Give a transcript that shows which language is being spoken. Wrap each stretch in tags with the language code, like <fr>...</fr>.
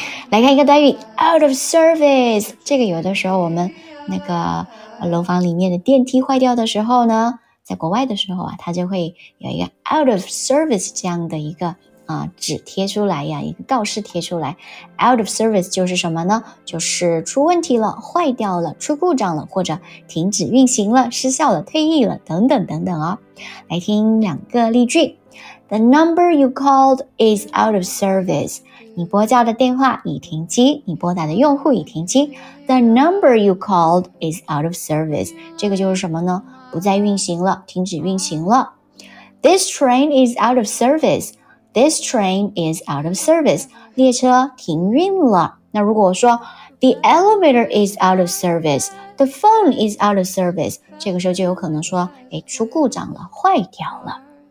<zh>来看一个短语 ,out of service. 这个有的时候我们那个楼房里面的电梯坏掉的时候呢，在国外的时候啊，它就会有一个 out of service 这样的一个纸贴出来呀，一个告示贴出来 ，out of service 就是什么呢？就是出问题了、坏掉了、出故障了，或者停止运行了、失效了、退役了，等等等等啊。来听两个例句 ：</zh> <en>The number you called is out of service.</en> <zh>你拨叫的电话已停机，你拨打的用户已停机。</zh> <en>The number you called is out of service.</en> <zh>这个就是什么呢？不再运行了，停止运行了。</zh> <en>This train is out of service. This train is out of service.</en> <zh>列车停运了。那如果我说</zh> <en>The elevator is out of service. The phone is out of service.</en> <zh>这个时候就有可能说哎，出故障了，坏掉了。</zh>